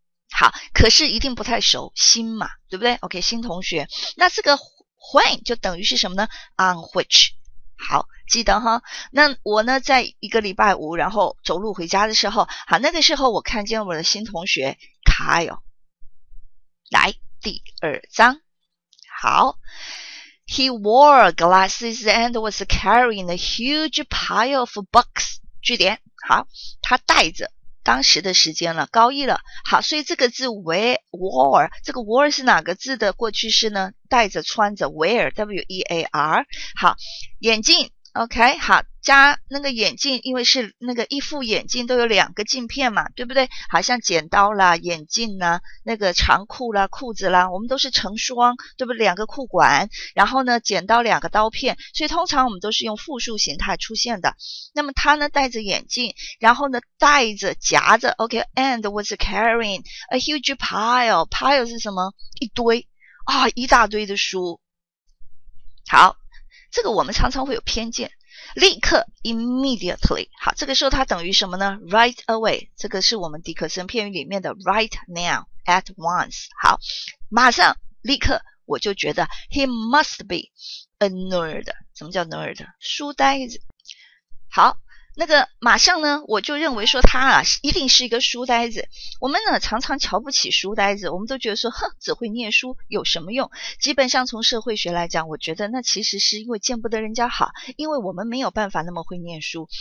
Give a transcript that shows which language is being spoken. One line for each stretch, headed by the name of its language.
Chinese: 好，可是一定不太熟，新嘛，对不对 ?OK, 新同学。那这个 when 就等于是什么呢 ? on which。好，记得哈，那我呢在一个礼拜五然后走路回家的时候，好，那个时候我看见我的新同学 Kyle。
English: 来第二章，好，He wore glasses and was carrying a huge pile of books.
Chinese: 句点，好，他带着，当时的时间了，高一了，好，所以这个字 wore, 这个 wore 是哪个字的过去式呢？带着，穿着 ，wear, W-E-A-R, 好，眼镜 ，OK, 好。加那个眼镜，因为是那个一副眼镜都有两个镜片嘛，对不对？好像剪刀啦、眼镜啦、那个长裤啦、裤子啦，我们都是成双，对不对？两个裤管，然后呢剪刀两个刀片，所以通常我们都是用复数形态出现的。那么他呢戴着眼镜，然后呢带着夹着 ,OK, and was carrying a huge pile, pile 是什么？一堆啊、哦、一大堆的书。好，这个我们常常会有偏见。立刻 immediately。好，这个时候它等于什么呢？ Right away，这个是我们迪克森片语里面的 right now， at once。好，马上立刻，我就觉得 he must be a nerd。什么叫 nerd？ 书呆子。好，那个马上呢，我就认为说他啊一定是一个书呆子。我们呢常常瞧不起书呆子，我们都觉得说哼，只会念书有什么用。基本上从社会学来讲，我觉得那其实是因为见不得人家好，因为我们没有办法那么会念书。